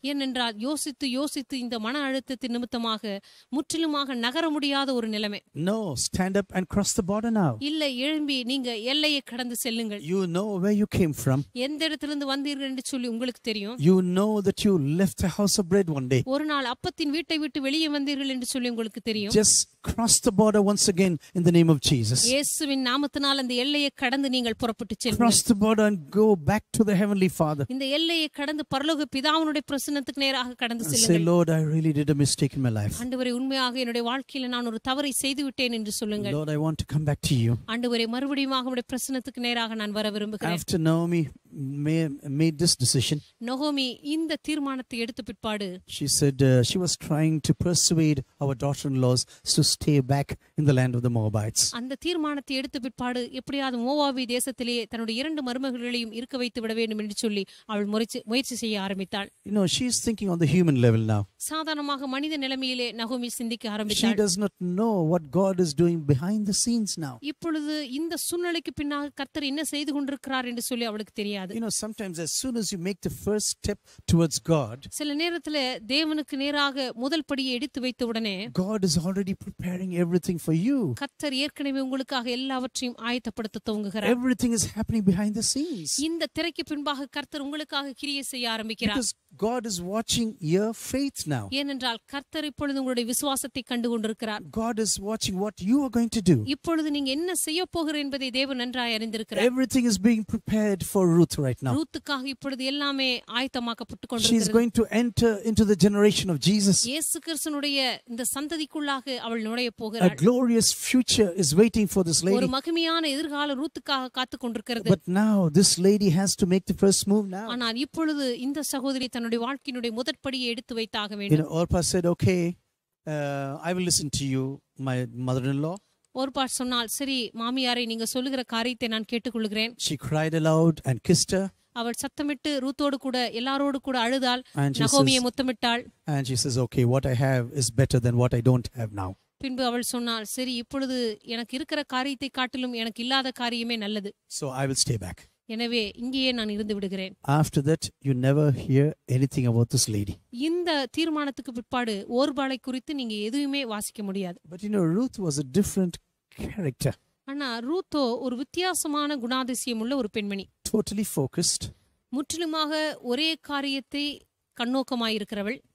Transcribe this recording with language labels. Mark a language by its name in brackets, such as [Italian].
[Tamil] ஏனென்றால் யோசித்து இந்த மன அழுத்தத்தின் நிமித்தமாக முற்றிலுமாக நகர முடியாத ஒரு நிலைமை. [English] No, stand up and cross the border now. [Tamil] இல்ல, எழும்பி நீங்க எல்லையை கடந்து செல்லுங்கள். [English] You know where you came from. [Tamil] எந்த இடத்திலிருந்து வந்தீர்கள் என்று சொல்லி உங்களுக்கு தெரியும். [English] You know that you left the house of bread one day. [Tamil] ஒரு நாள் அப்பத்தின் வீட்டை விட்டு வெளியே வந்தீர்கள் என்று சொல்லி உங்களுக்கு தெரியும். [English] Just cross the border once again in the name of Jesus. [Tamil] இயேசு நாமத்தினால் அந்த எல்லையை கடந்து நீங்கள் புறப்பட்டு செல்லுங்கள். [English] Cross the border and go back to the heavenly father. [Tamil] இந்த எல்லையை கடந்து பரலோக பிதாவினுடைய பிரசன்னத்துக்கு நேராக கடந்து செல்லுங்கள். [English] Say, Lord, I really did a mistake in my life. [Tamil] ஆண்டவரே, உண்மையாக என்னுடைய வாழ்க்கையில நான் ஒரு தவறை செய்து விட்டேன் என்று சொல்லுங்கள். [English] Lord, I want to come back to you. [Tamil] ஆண்டவரே, மறுபடியும் உம்முடைய பிரசன்னத்துக்கு நேராக நான் வர விரும்புகிறேன். [English] After Naomi made this decision, [Tamil] Naomi இந்த தீர்மானத்தை எடுத்து பிற்பாடு, [English] she said she was trying to persuade our daughter-in-laws to stay back in the land of the Moabites. [Tamil] அந்த தீர்மானத்தை எடுத்து பிற்பாடு எப்படியாவது மோவாபி தேசத்திலே தன்னுடைய இரண்டு மருமகளையும் இருக்க வைத்து விட வேண்டும் என்று சொல்லி அவள் முயற்சி செய்ய ஆரம்பித்தாள். [English] You know, she is thinking on the human level now. [Tamil] சாதாரணமாக மனித நிலையிலே நகோமி சிந்திக்க ஆரம்பித்தாள். [English] She does not know what God is doing behind the scenes now. [Tamil] இப்பொழுது இந்த சூழ்நிலைக்கு பின்னால் கர்த்தர் என்ன செய்து கொண்டிருக்கிறார் என்று சொல்லி அவளுக்கு தெரியாது. [English] You know, sometimes as soon as you make the first step towards God, [Tamil] சில நேரத்துல தேவனுக்கு நேராக முதல் படியை எடுத்து வைத்த உடனே, [English] God is already preparing everything for you. [Tamil] கர்த்தர் ஏற்கனவே உங்களுக்காக எல்லாவற்றையும் ஆயத்தப்படுத்த துவங்குகிறார். [English] Everything is happening behind the scenes. [Tamil] இந்த திரைக்கு பின்பாக கர்த்தர் உங்களுக்காக கிரியை செய்ய ஆரம்பிக்கிறார். [English] Because God is watching your faith now. [Tamil] ஏனென்றால் கர்த்தர் இப்பொழுது உங்களுடைய விசுவாசத்தை கண்டு கொண்டிருக்கிறார். [English] God is watching what you are going to do. [Tamil] இப்பொழுது நீங்க என்ன செய்ய போகிறீர்கள் என்பதை தேவன் நன்றாய் அறிந்திருக்கிறார். [English] Everything is being prepared for Ruth right now. [Tamil] ரூத்துக்காக இப்பொழுது எல்லாமே ஆயத்தமாக்கப்பட்டு கொண்டிருக்கிறது. [English] She is going to enter into the generation of Jesus. [Tamil] இயேசு கிறிஸ்துவினுடைய இந்த சந்ததிக்குள்ளாக அவள் நுழைய போகிறாள். [English] A glorious future is waiting for this lady. [Tamil] ஒரு மகிமையான எதிர்காலம் ரூத்துக்காக காத்துக் கொண்டிருக்கிறது. [English] But now this lady has to make the first move now. [Tamil] ஆனால் இப்பொழுது இந்த சகோதரி தன்னுடைய வாழ்க்கையினுடைய முதற்படியை எடுத்து வைத்தாக வேண்டும். [English] You know, Orpah said, okay, I will listen to you, my mother-in-law. [Tamil] ஒருபா சொன்னால், சரி மாமியாரே, நீங்க சொல்லுகிற காரியத்தை நான் கேட்டுக்கொள்கிறேன். [English] She cried aloud and kissed her. [Tamil] அவள் சத்தமிட்டு ரூத்தோடு கூட எல்லாரோடு கூட அழுதாள். நகோமியை முத்தமிட்டாள். [English] And she says, okay, what I have is better than what I don't have now. [Tamil] பின்பு அவள் சொன்னாள், சரி இப்பொழுது எனக்கு இருக்கிற காரியத்தை காட்டிலும் எனக்கு இல்லாத காரியமே நல்லது. [English] So I will stay back. [Tamil] எனவே இங்கேயே நான் இருந்து விடுகிறேன். [English] After that you never hear anything about this lady. [Tamil] இந்த தீர்மானத்துக்கு பிற்பாடு ஓர்பாளை குறித்து நீங்க எதுவுமே வாசிக்க முடியாது. [English] But you know, Ruth was a different character. [Tamil] ஆனா ரூத்தோ ஒரு வித்தியாசமான குணாதிசயமுள்ள ஒரு பெண்மணி. [English] Totally focused. [Tamil] முற்றிலுமாக ஒரே காரியத்தை கண்ணோக்கமாய் இருக்கிறவள்.